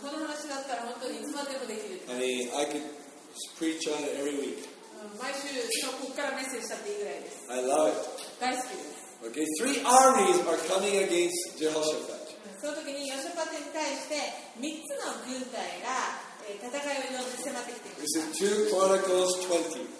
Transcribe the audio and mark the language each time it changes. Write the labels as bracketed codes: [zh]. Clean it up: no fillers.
[ja] この話だったら本当にいつまでもできる。 [en] I mean, I could preach on it every week. [ja] 毎週ここからメッセージしたっていいぐらいです。 [en] I love it. [ja] 大好きです。 [en] Okay, three armies are coming against Jehoshaphat. [ja] その時にヨシャパテに対して3つの軍隊が戦いを迫ってきています。 [en] This is 2 Chronicles 20.